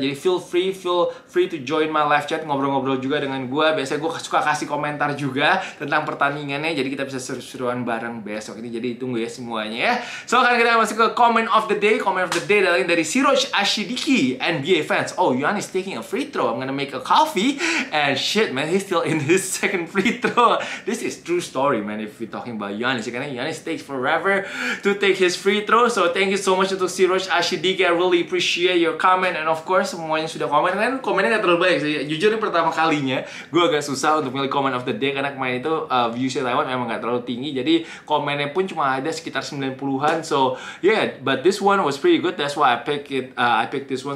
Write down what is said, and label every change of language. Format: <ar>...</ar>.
<en>Jadi feel free to join my live chat,</en> <id>ngobrol-ngobrol juga dengan gue. Biasanya gue suka kasih komentar juga tentang pertandingannya, jadi kita bisa seru-seruan bareng besok ini. Jadi tunggu ya semuanya ya. So sekarang kita masuk ke comment of the day. Comment of the day adalah dari Siroj Ashidiki, NBA fans.</id> <en>Oh, Giannis taking a free throw, I'm gonna make a coffee. And shit man, he's still in his second free throw. This is true story man, if we talking about Giannis.</en> <id>Karena</id> <en>Giannis takes forever to take his free throw. So thank you so much much untuk Siroj Ashidiki. I really appreciate your comment. And of course,</en> <id>semuanya yang sudah komen. Dan komennya gak terlalu banyak. Jujur, ini pertama kalinya gue agak susah untuk milih comment of the day. Karena kemarin itu viewsnya Taiwan memang gak terlalu tinggi. Jadi komennya pun cuma ada sekitar 90-an.</id> <en>So, yeah. But this one was pretty good. That's why I picked this one.</en>